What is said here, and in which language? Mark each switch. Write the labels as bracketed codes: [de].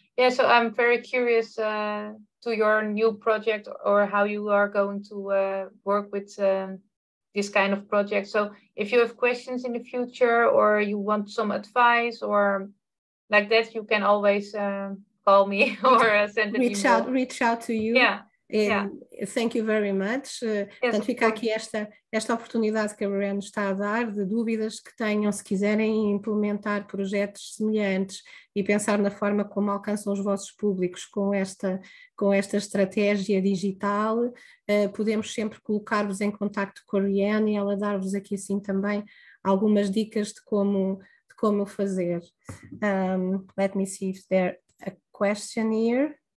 [en] Yeah, so I'm very curious to your new project or how you are going to work with this kind of project. So if you have questions in the future or you want some advice or like that, you can always call me or send an reach email. Reach out to you. Yeah. Thank you very much. [pt] Portanto, fica aqui esta oportunidade que a Rianne está a dar, de dúvidas que tenham, se quiserem implementar projetos semelhantes e pensar na forma como alcançam os vossos públicos com esta estratégia digital, podemos sempre colocar-vos em contacto com a Rianne e ela dar-vos aqui assim também algumas dicas de como fazer. [en] Let me see if there a question here.